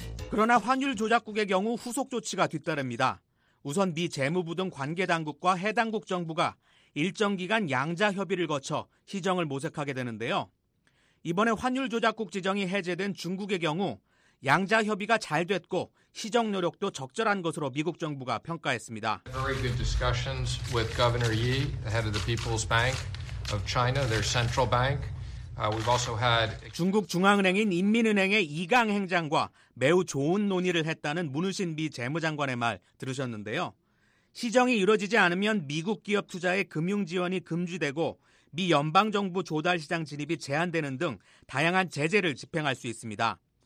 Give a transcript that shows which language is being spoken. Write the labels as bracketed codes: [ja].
[ko] 그러나 환율 조작국의 경우 후속 조치가 뒤따릅니다. 우선 미 재무부 등 관계 당국과 해당국 정부가 일정 기간 양자 협의를 거쳐 시정을 모색하게 되는데요. 이번에 환율 조작국 지정이 해제된 중국의 경우 양자 협의가 잘 됐고 시정 노력도 적절한 것으로 미국 정부가 평가했습니다. [en] Very good discussions with Governor Yi, the head of the People's Bank of China, their central bank. We've also had [ko] 중국 중앙은행인 인민은행의 이강 행장과 매우 좋은 논의를 했다는 문우신 미 재무장관의 말 들으셨는데요. 시정이 이루어지지 않으면 미국 기업 투자의 금융 지원이 금지되고 미 연방정부 조달시장 진입이 제한되는 등 다양한 제재를 집행할 수 있습니다.